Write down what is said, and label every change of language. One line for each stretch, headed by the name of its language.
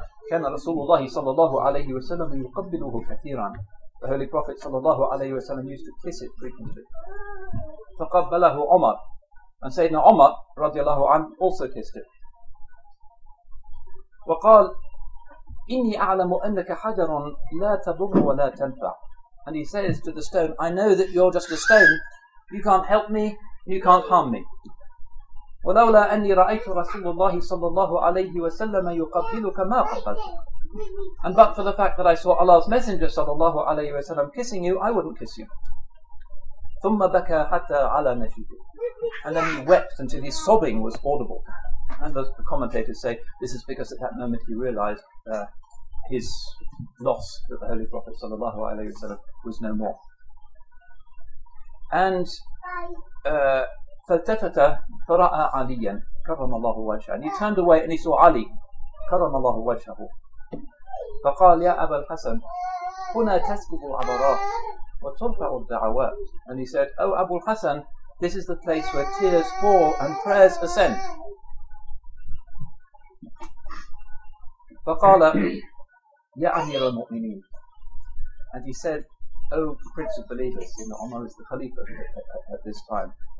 Arabic: كان رسول الله صلى الله عليه وسلم يقبله كثيرا.
English: The Holy Prophet صلى الله عليه وسلم used to kiss it frequently.
Arabic: فقبله عمر.
English: And Sayyidina Umar رضي الله عنه also kissed it.
Arabic: وقال إني أعلم أنك حجر لا تضر ولا تنفع.
English: And he says to the stone, I know that you're just a stone. You can't help me. You can't harm me.
Arabic: ولولا أني رأيت رسول الله صلى الله عليه وسلم يقبلك ما قبلت.
English: And but for the fact that I saw Allah's Messenger صلى الله عليه وسلم kissing you, I wouldn't kiss you.
Arabic: ثم بكى حتى على نفيه.
English: And then he wept until his sobbing was audible. And the commentators say this is because at that moment he realized his loss that the Holy Prophet صلى الله عليه وسلم was no more. And
Arabic: فالتفت فرأى عليا كرم الله وجهه.
English: And he turned away and he saw Ali كرم الله وجهه.
Arabic: فقال يا أبا الحسن هنا تسكب العبرات وترفع الدعوات.
English: And he said, O Abu al-Hasan, this is the place where tears fall and prayers ascend.
Arabic: فقال يا أمير المؤمنين.
English: And he said, O Prince of Believers, you know, Umar is the Khalifa at this time.